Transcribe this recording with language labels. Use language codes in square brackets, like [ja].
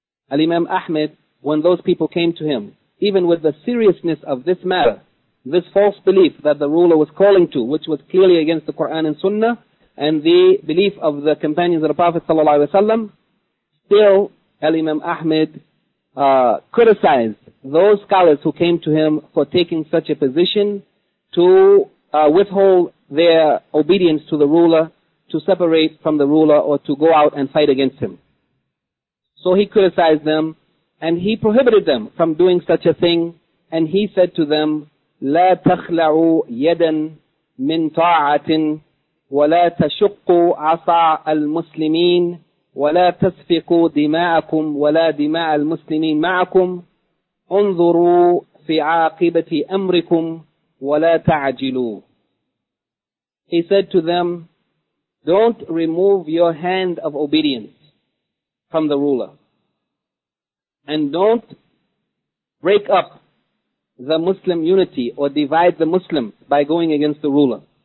[en] Al-Imam Ahmed, when those people came to him, even with the seriousness of this matter, this false belief that the ruler was calling to, which was clearly against the Quran and Sunnah, and the belief of the companions of the Prophet sallallahu alaihi wasallam, still Al-Imam Ahmed criticized those scholars who came to him for taking such a position to withhold their obedience to the ruler, to separate from the ruler, or to go out and fight against him. So he criticized them, and he prohibited them from doing such a thing, and he said to them, [ar] لَا تَخْلَعُوا يَدًا مِّن طَاعَةٍ وَلَا تَشُقُّوا عَصَى الْمُسْلِمِينَ وَلَا تَسْفِقُوا دِمَاءَكُمْ وَلَا دِمَاءَ الْمُسْلِمِينَ مَعَكُمْ أُنظُرُوا فِي عَاقِبَةِ أَمْرِكُمْ وَلَا تَعَجِلُوا. [en] He said to them, don't remove your hand of obedience from the ruler. And don't break up the Muslim unity or divide the Muslims by going against the ruler.